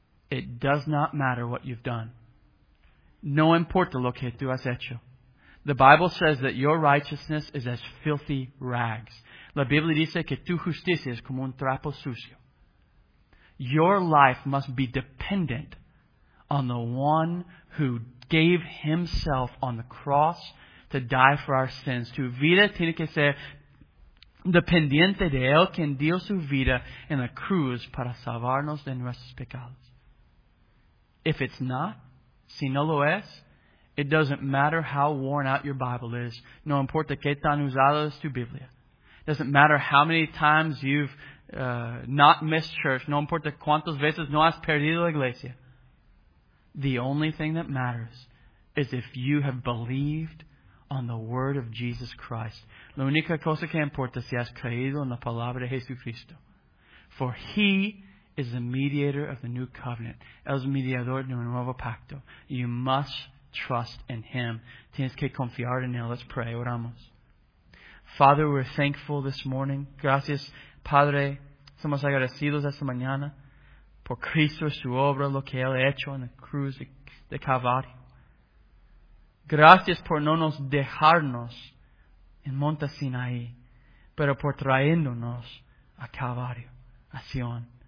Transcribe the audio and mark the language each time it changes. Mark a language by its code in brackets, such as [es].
[en] It does not matter what you've done. [es] No importa lo que tú has hecho. [en] The Bible says that your righteousness is as filthy rags. [es] La Biblia dice que tu justicia es como un trapo sucio. [en] Your life must be dependent on the one who gave himself on the cross to die for our sins. [es] Tu vida tiene que ser dependiente de él quien dio su vida en la cruz para salvarnos de nuestros pecados. [en] If it's not, [es] si no lo es, [en] it doesn't matter how worn out your Bible is. [es] No importa qué tan usada es tu Biblia. [en] Doesn't matter how many times you've not missed church. [es] No importa cuántas veces no has perdido la iglesia. [en] The only thing that matters is if you have believed on the word of Jesus Christ. [es] La única cosa que importa si has creído en la palabra de Jesucristo. [en] For he is the mediator of the new covenant. [es] El mediador de un nuevo pacto. [en] You must trust in him. [es] Tienes que confiar en él. [en] Let's pray. [es] Oramos. [en] Father, we're thankful this morning. [es] Gracias, Padre. Somos agradecidos esta mañana por Cristo, su obra, lo que él ha hecho en la cruz de Calvario. Gracias por no nos dejarnos en Monte Sinaí, pero por traéndonos a Calvario, a Sion.